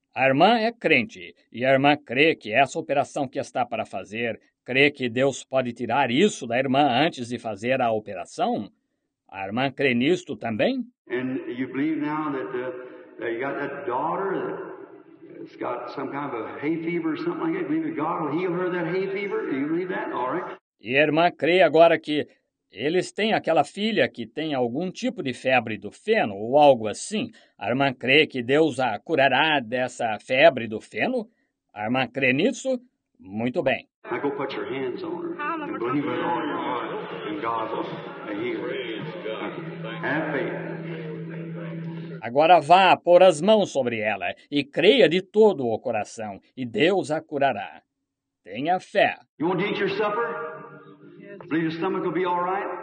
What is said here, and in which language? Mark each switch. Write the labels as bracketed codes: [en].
[pt] A irmã é crente, e a irmã crê que essa operação que está para fazer, crê que Deus pode tirar isso da irmã antes de fazer a operação? A irmã crê nisto também? [en] And you believe now that you got that daughter that's got some kind of a hay fever or something like that? You believe that God will heal her of that hay fever? Do you believe that? All right. [pt] E a irmã crê agora que eles têm aquela filha que tem algum tipo de febre do feno ou algo assim. A irmã crê que Deus a curará dessa febre do feno? A irmã crê nisso? Muito bem. [en] I go put your hands on her. And believe it on your heart. And God will heal her. Have faith. [pt] Agora vá pôr as mãos sobre ela e creia de todo o coração e Deus a curará. Tenha fé. [en] You want to eat your supper? Believe your stomach will be all right?